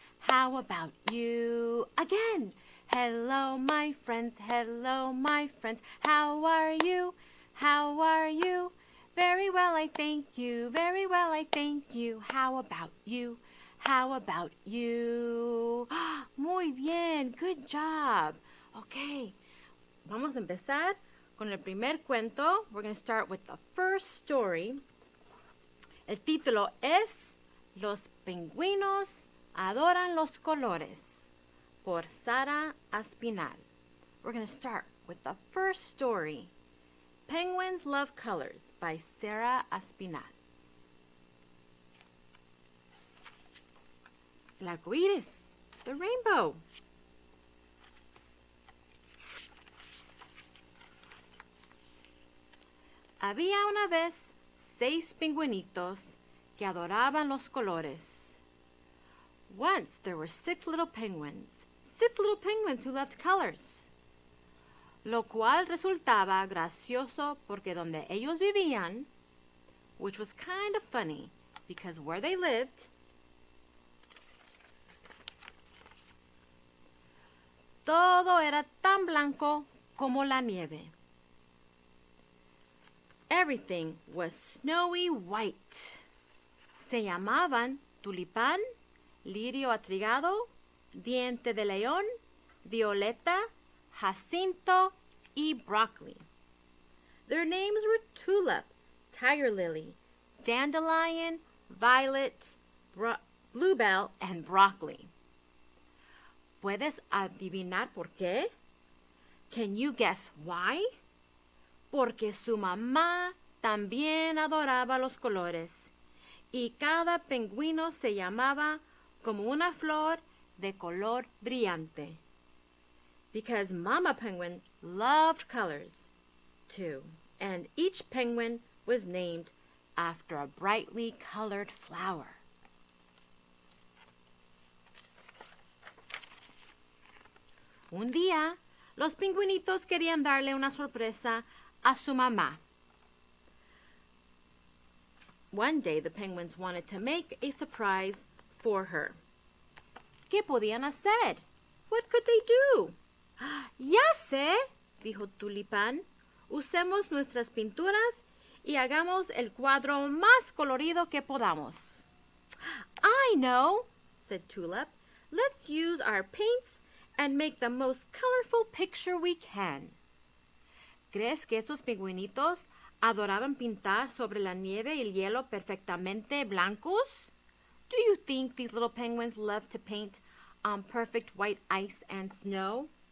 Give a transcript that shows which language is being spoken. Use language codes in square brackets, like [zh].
[en] How about you? Again, hello, my friends, how are you? How are you? Very well, I thank you, how about you? How about you? [es] Muy bien, [en] good job. [es] Okay, vamos a empezar con el primer cuento. [en] We're going to start with the first story. [es] El título es Los pingüinos adoran los colores por Sara Aspinal. [en] We're going to start with the first story, Penguins Love Colors by Sara Aspinal. [es] El arco iris, [en] the rainbow. [es] Había una vez 6 pingüinitos que adoraban los colores. [en] Once there were 6 little penguins. 6 little penguins who loved colors. [es] Lo cual resultaba gracioso porque donde ellos vivían, [en] which was kind of funny because where they lived, [es] todo era tan blanco como la nieve. [en] Everything was snowy white. [es] Se llamaban tulipán, lirio atrigado, diente de león, violeta, jacinto, y broccoli. [en] Their names were tulip, tiger lily, dandelion, violet, bluebell, and broccoli. [es] ¿Puedes adivinar por qué? [en] Can you guess why? [es] Porque su mamá también adoraba los colores. Y cada pingüino se llamaba como una flor de color brillante. [en] Because Mama Penguin loved colors, too. And each penguin was named after a brightly colored flower. [es] Un día, los pingüinitos querían darle una sorpresa a su mamá. [en] One day the penguins wanted to make a surprise for her. [es] ¿Qué podían hacer? [en] What could they do? [es] Ya sé, dijo Tulipán. Usemos nuestras pinturas y hagamos el cuadro más colorido que podamos. [en] I know, said Tulip. Let's use our paints and make the most colorful picture we can. [es] ¿Crees que estos pingüinitos adoraban pintar sobre la nieve y el hielo perfectamente blancos? [en] Do you think these little penguins love to paint on perfect white ice and snow?